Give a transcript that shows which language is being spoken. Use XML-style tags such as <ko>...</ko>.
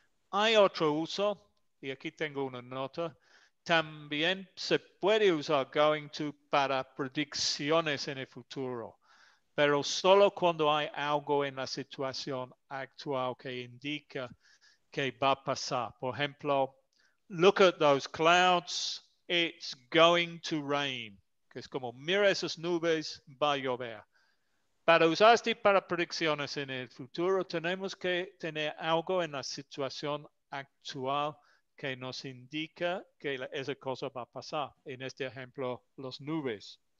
<es>Hay otro uso, y aquí tengo una nota. También se puede usar going to para predicciones en el futuro, pero solo cuando hay algo en la situación actual que indica que va a pasar. Por ejemplo,</es> <en>look at those clouds, it's going to rain.</en> <es>Que es como, mira esas nubes, va a llover. Para usar este para predicciones en el futuro, tenemos que tener algo en la situación actual que nos indica que esa cosa va a pasar. En este ejemplo, las nubes.</es>